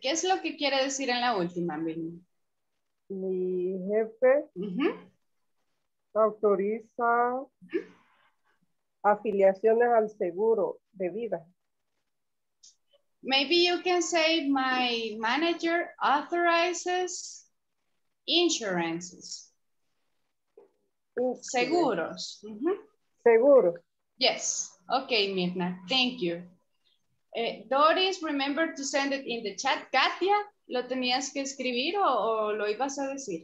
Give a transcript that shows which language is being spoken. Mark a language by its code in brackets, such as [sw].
[es] ¿Qué es lo que quiere decir en la última, Mimi? Mi jefe autoriza afiliaciones al seguro de vida. [en] Maybe you can say my manager authorizes insurances. [es] Seguros. Mm-hmm. Seguro. [en] Yes. Okay, Mirna. Thank you. Doris, remember to send it in the chat. [es] Katia, ¿lo tenías que escribir o lo ibas a decir?